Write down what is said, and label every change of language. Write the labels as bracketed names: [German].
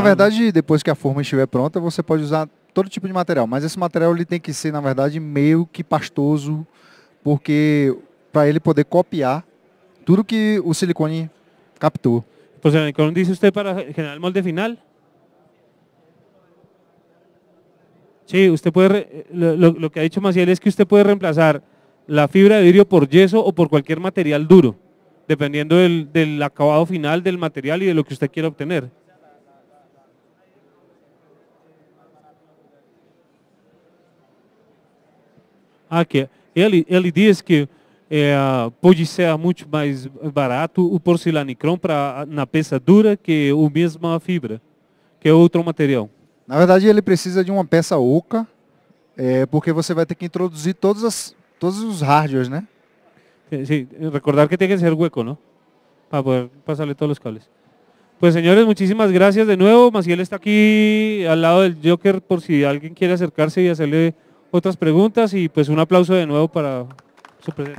[Portuguese] Na verdade, depois que a forma estiver pronta, você pode usar todo tipo de material. Mas esse material ele tem que ser, na verdade, meio que pastoso, porque para ele poder copiar tudo que o silicone captou. [Spanish] Pues el silicone dice usted para generar el molde final. Sí, usted puede, lo que ha dicho Maciel es que usted puede reemplazar la fibra de vidrio por yeso o por cualquier material duro, dependiendo del acabado final del material y de lo que usted quiera obtener. [Portuguese] Ah, que ele diz que pode ser muito mais barato o porcelanicron para na peça dura que o mesma fibra, que é outro material. Na verdade, ele precisa de uma peça oca, porque você vai ter que introduzir todos os hardwares, né? Sim, recordar que tem que ser hueco, não? Para poder passar-lhe todos os cables. [Spanish] Pues señores, muchísimas gracias de nuevo. Maciel está aquí al lado del Joker por si alguien quiere acercarse y hacerle otras preguntas, y pues un aplauso de nuevo para su presencia.